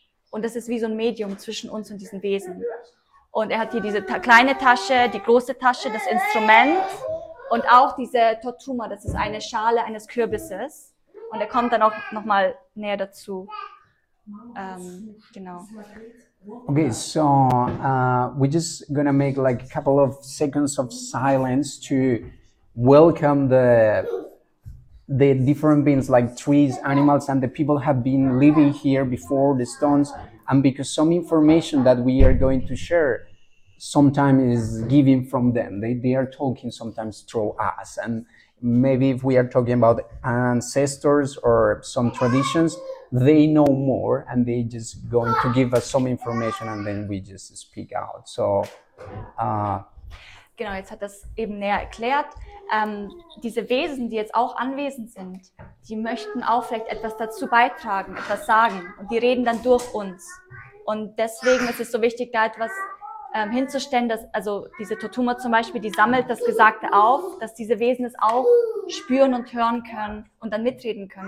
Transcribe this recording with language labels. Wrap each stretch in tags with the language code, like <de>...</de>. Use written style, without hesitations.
<de>Und das ist wie so ein Medium zwischen uns und diesen Wesen. Und er hat hier diese kleine Tasche, die große Tasche, das Instrument und auch diese Totuma, das ist eine Schale eines Kürbisses. Und er kommt dann auch nochmal näher dazu. Genau.</de> <en>Okay, so we're just gonna make like a couple of seconds of silence to welcome the different beings like trees, animals, and the people have been living here before the stones. And because some information that we are going to share sometimes is giving from them. They are talking sometimes through us. And maybe if we are talking about ancestors or some traditions, they know more and they just going to give us some information and then we just speak out. So,</en> <de>genau, jetzt hat das eben näher erklärt. Diese Wesen, die jetzt auch anwesend sind, die möchten auch vielleicht etwas dazu beitragen, etwas sagen. Und die reden dann durch uns. Und deswegen ist es so wichtig, da etwas hinzustellen, dass, also diese Totuma zum Beispiel, die sammelt das Gesagte auf, dass diese Wesen es auch spüren und hören können und dann mitreden können.</de>